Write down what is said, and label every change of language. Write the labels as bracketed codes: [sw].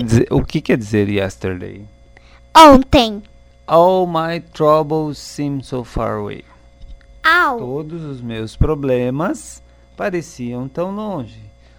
[pt] O que quer dizer yesterday? Ontem. [en] All my troubles seem so far away. Ow. [pt] Todos os meus problemas pareciam tão longe.